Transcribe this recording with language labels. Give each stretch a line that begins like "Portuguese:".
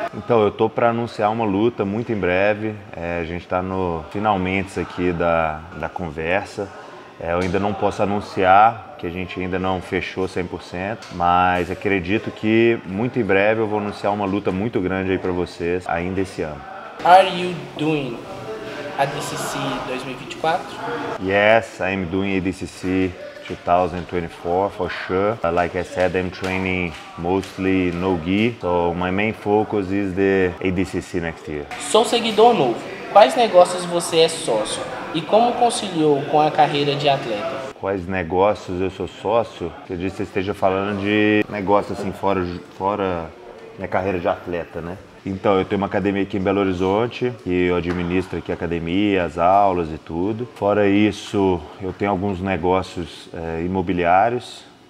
Portuguese: Então, eu tô para anunciar uma luta muito em breve. A gente tá no finalmente aqui da conversa. Eu ainda não posso anunciar, que a gente ainda não fechou 100%, mas acredito que muito em breve eu vou anunciar uma luta muito grande aí para vocês, ainda esse ano.
English: Are you doing ADCC 2024? Yes, I'm doing ADCC 2024 for sure. Like I said, I'm training mostly no gi, so my main focus is the ADCC next year.
Portuguese: Sou seguidor novo. Quais negócios você é sócio e como conciliou com a carreira de atleta? Quais negócios eu sou sócio? Você disse que você esteja falando de negócios assim fora minha carreira de atleta, né? Então, eu tenho uma academia aqui em Belo Horizonte, e eu administro aqui a academia, as aulas e tudo. Fora isso, eu tenho alguns negócios imobiliários,